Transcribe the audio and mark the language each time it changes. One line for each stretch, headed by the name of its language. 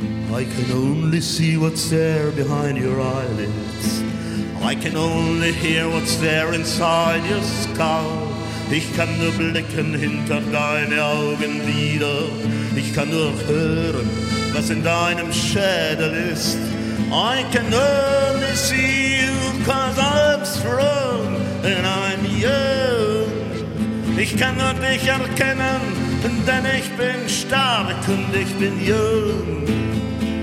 English: I can only see what's there behind your eyelids. I can only hear what's there inside your skull.
German: Ich kann nur blicken hinter deine Augenlider. Ich kann nur hören, was in deinem Schädel ist.
English: I can only see you, 'cause I'm strong and I'm young.
German: Ich kann nur dich erkennen, denn ich bin stark und ich bin jung.